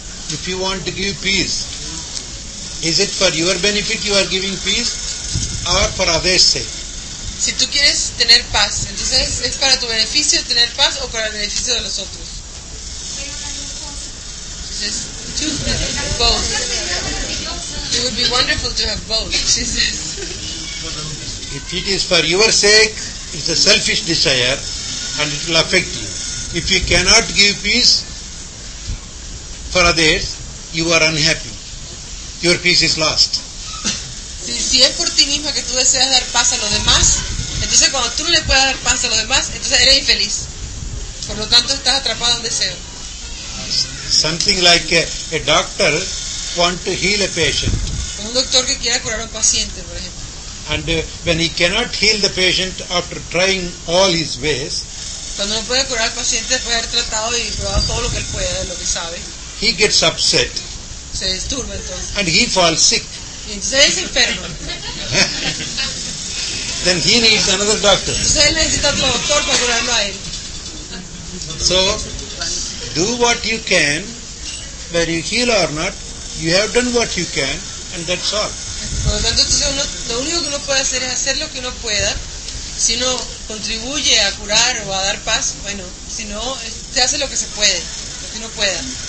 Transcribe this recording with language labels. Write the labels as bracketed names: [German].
[English] If you want to give peace, is it for your benefit you are giving peace, or for others' sake? [Spanish] Si tú quieres tener paz, entonces es para tu beneficio tener paz o para el beneficio de los otros. [English] Both. It would be wonderful to have both. She says. If it is for your sake, it's a selfish desire, and it will affect you. If you cannot give peace for others, you are unhappy. Your peace is lost. [Spanish] Si, si es por ti misma que tú deseas dar paz a los demás, entonces cuando tú no le puedes dar paz a los demás, entonces eres infeliz. Por lo tanto, estás atrapado en deseo. [English] Something like a doctor want to heal a patient. [Spanish] Como un doctor que quiera curar a un paciente, por ejemplo. [English] And when he cannot heal the patient after trying all his ways, [Spanish] cuando no puede curar al paciente después de haber tratado y probado todo lo que él puede, lo que sabe, [English] he gets upset. [Spanish] Se disturba entonces. [English] And he falls sick. [Spanish] Y entonces es enfermo. [English] Then he needs another doctor. [Spanish] Entonces él necesita otro doctor para curarlo a él. [English] So, do what you can, whether you heal or not, you have done what you can, and that's all. [Spanish] Por lo tanto, entonces uno, lo único que uno puede hacer es hacer lo que uno pueda. Si uno contribuye a curar o a dar paz, bueno, si no, se hace lo que se puede, lo que uno pueda.